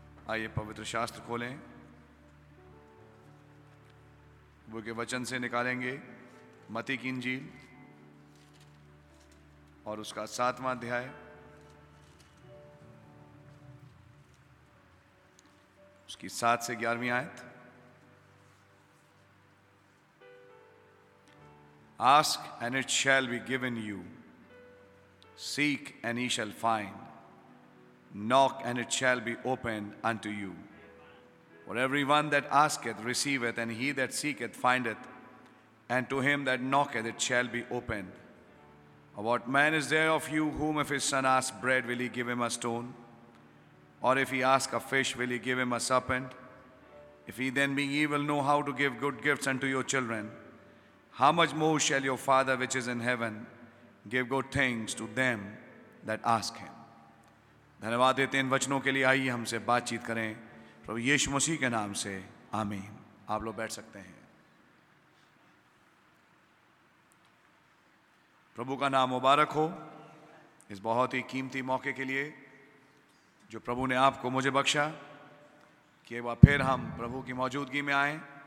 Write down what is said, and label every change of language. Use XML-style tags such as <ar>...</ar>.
<hi>आइए पवित्र शास्त्र खोलें, वो के वचन से निकालेंगे मती की इंजील और उसका सातवां अध्याय, उसकी सात से ग्यारहवीं आयत।</hi> <en>Ask and it shall be given you. Seek and ye shall find. Knock and it shall be opened unto you. For everyone that asketh receiveth, and he that seeketh findeth, and to him that knocketh it shall be opened. Or what man is there of you whom if his son ask bread will he give him a stone? Or if he ask a fish will he give him a serpent? If he then being evil know how to give good gifts unto your children, how much more shall your Father which is in heaven give good things to them that ask him?</en> <hi>धन्यवाद देते हैं इन वचनों के लिए, आइए हमसे बातचीत करें प्रभु यीशु मसीह के नाम से, आमीन। आप लोग बैठ सकते हैं। प्रभु का नाम मुबारक हो इस बहुत ही कीमती मौके के लिए जो प्रभु ने आपको मुझे बख्शा कि एक बार फिर हम प्रभु की मौजूदगी में आए।</hi>